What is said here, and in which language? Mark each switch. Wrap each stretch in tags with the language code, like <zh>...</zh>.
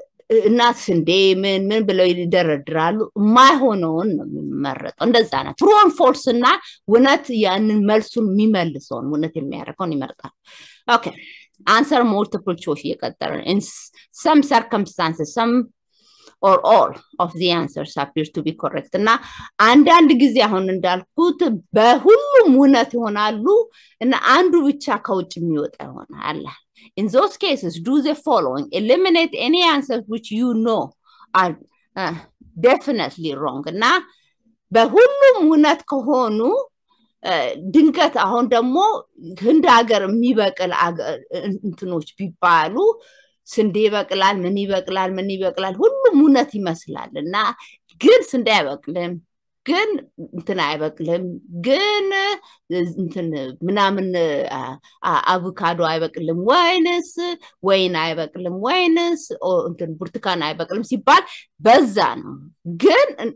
<am>እናስ እንዴ ምን ምን ብለው ይደረድራሉ። ማይሆነውን ነው የሚመረጠው። እንደዛ ነው</am> <en>ትሩ ኦር ፎልስ።</en> <am>እና እውነት ያንን መልሱን የሚመልሰውን እውነት የሚያደርገውን ይመርጣል። ኦኬ</am> <en>አንሰር ሞልቲፕል ቾይስ</en> <am>እየቀጠረ ነው።</am> <en>ሰም ሰርከምስታንስስ ሰም ኦር ኦል ኦፍ ዚ አንሰርስ አፒር ቱ ቢ ኮሬክት።</en> <am>እና አንዳንድ ጊዜ አሁን እንዳልኩት በሁሉም እውነት ይሆናሉ እና አንዱ ብቻ ከውጭ የሚወጣ ይሆናል።</am> <en>In those cases, do the following. Eliminate any answers which you know are definitely wrong.</en> <am>Now, በሁሉም እውነት ከሆኑ ድንገት አሁን ደግሞ ህንድ ሀገር የሚበቅል እንትኖች ቢባሉ ስንዴ ይበቅላል፣ ምን ይበቅላል፣ ምን ይበቅላል፣ ሁሉም እውነት ይመስላል እና ግን ስንዴ አይበቅልም፣ ግን እንትን አይበቅልም፣ ግን እንትን ምናምን አቮካዶ አይበቅልም፣ ወይንስ ወይን አይበቅልም፣ ወይንስ እንትን ብርቱካን አይበቅልም ሲባል በዛ ነው። ግን</am>